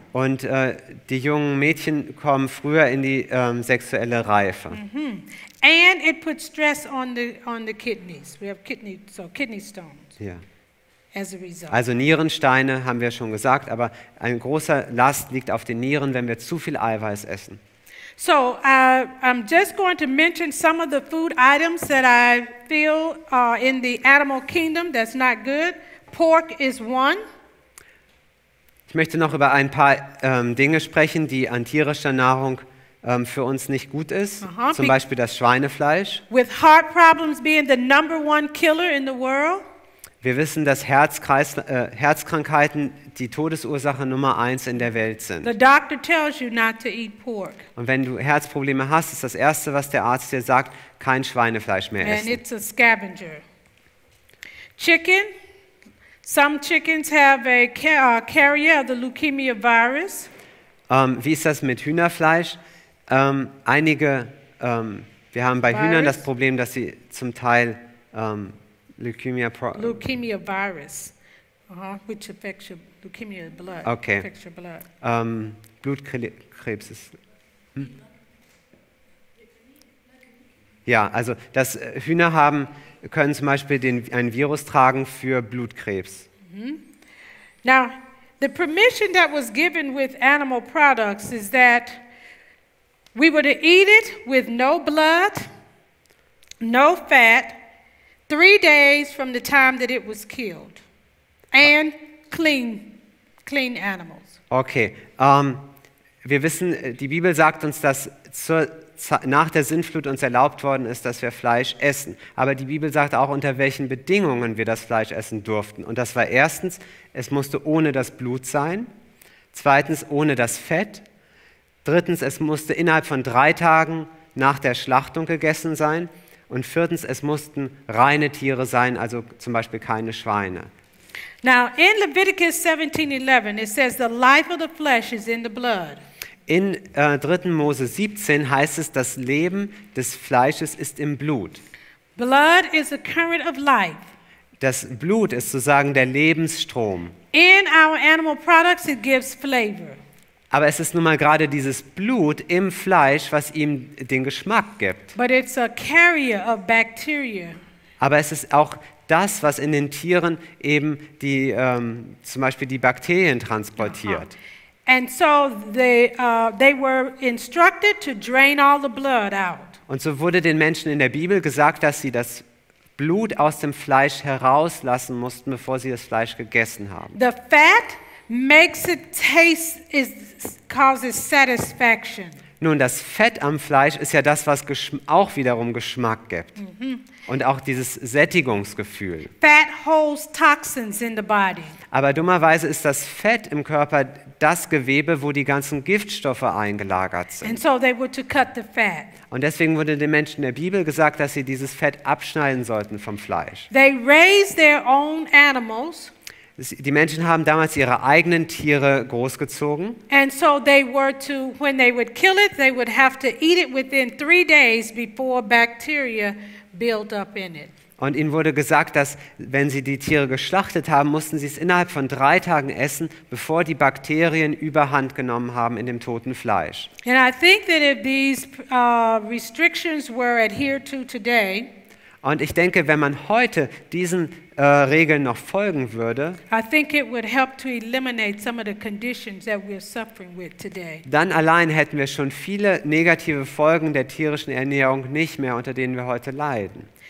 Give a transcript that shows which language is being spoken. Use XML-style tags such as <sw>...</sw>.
<de>Und die jungen Mädchen kommen früher in die sexuelle Reife.</de> <en>Mm-hmm. And it puts stress on the kidneys. We have kidney stones.</en> <de>Ja. Also Nierensteine haben wir schon gesagt, aber ein großer Last liegt auf den Nieren, wenn wir zu viel Eiweiß essen.</de> <en>So, I'm just going to mention some of the food items that I feel in the animal kingdom that's not good. Pork is one.</en> <de>Ich möchte noch über ein paar Dinge sprechen, die an tierischer Nahrung für uns nicht gut ist. Uh-huh. Zum Beispiel das Schweinefleisch.</de> <en>With heart problems being the number one killer in the world.</en> <de>Wir wissen, dass Herzkrankheiten die Todesursache Nummer 1 in der Welt sind.</de> <en>The doctor tells you not to eat pork.</en> <de>Und wenn du Herzprobleme hast, ist das Erste, was der Arzt dir sagt, kein Schweinefleisch mehr essen.</de> <en>And it's a scavenger. Chicken. Some chickens have a carrier of the leukemia virus.</en> <de>Wie ist das mit Hühnerfleisch? Wir haben bei virus. Hühnern das Problem, dass sie zum Teil</de> <en>Leukemia virus, uh-huh, which affects your leukemia blood. Okay. Affects your blood.</en> <de>Blutkrebs ist. Ja, also das Hühner haben können zum Beispiel ein Virus tragen für Blutkrebs. Mm-hmm.</de> <en>Now, the permission that was given with animal products is that we were to eat it with no blood, no fat. 3 days from the time that it was killed, and clean animals.</en> <de>Okay, wir wissen, die Bibel sagt uns, dass nach der Sintflut uns erlaubt worden ist, dass wir Fleisch essen. Aber die Bibel sagt auch, unter welchen Bedingungen wir das Fleisch essen durften. Und das war erstens, es musste ohne das Blut sein. Zweitens, ohne das Fett. Drittens, es musste innerhalb von 3 Tagen nach der Schlachtung gegessen sein. Und viertens, es mussten reine Tiere sein, also zum Beispiel keine Schweine.</de> <en>Now in Leviticus 17:11 it says the life of the flesh is in the blood.</en> <de>In 3. Mose 17 heißt es, das Leben des Fleisches ist im Blut.</de> <en>Blood is the current of life.</en> <de>Das Blut ist sozusagen der Lebensstrom.</de> <en>In our animal products it gives flavor.</en> <de>Aber es ist nun mal gerade dieses Blut im Fleisch, was ihm den Geschmack gibt.</de> <en>But it's a carrier of bacteria.</en> <de>Aber es ist auch das, was in den Tieren eben die, zum Beispiel die Bakterien transportiert.</de> <en>Uh-huh. And so they were instructed to drain all the blood out.</en> <de>Und so wurde den Menschen in der Bibel gesagt, dass sie das Blut aus dem Fleisch herauslassen mussten, bevor sie das Fleisch gegessen haben.</de> <en>The fat makes it taste is causes satisfaction.</en> <de>Nun, das Fett am Fleisch ist ja das, was auch wiederum Geschmack gibt. Mm-hmm. Und auch dieses Sättigungsgefühl.</de> <en>Fat holds toxins in the body.</en> <de>Aber dummerweise ist das Fett im Körper das Gewebe, wo die ganzen Giftstoffe eingelagert sind.</de> <en>And so they were to cut the fat.</en> <de>Und deswegen wurde den Menschen in der Bibel gesagt, dass sie dieses Fett abschneiden sollten vom Fleisch.</de> <en>They raised their own animals.</en> <de>Die Menschen haben damals ihre eigenen Tiere großgezogen.</de> <en>And so they were to, when they would kill it, they would have to eat it within 3 days before bacteria built up in it.</en> <de>Und ihnen wurde gesagt, dass wenn sie die Tiere geschlachtet haben, mussten sie es innerhalb von 3 Tagen essen, bevor die Bakterien Überhand genommen haben in dem toten Fleisch.</de> <en>And I think that if these restrictions were adhered to today.</en> <de>Und ich denke, wenn man heute diesen Regeln noch folgen würde,</de> <en>I think it would help to eliminate some of the conditions that we're suffering with today.</en> <de>Dann allein hätten wir schon viele negative Folgen der tierischen Ernährung nicht mehr, unter denen wir heute leiden.</de>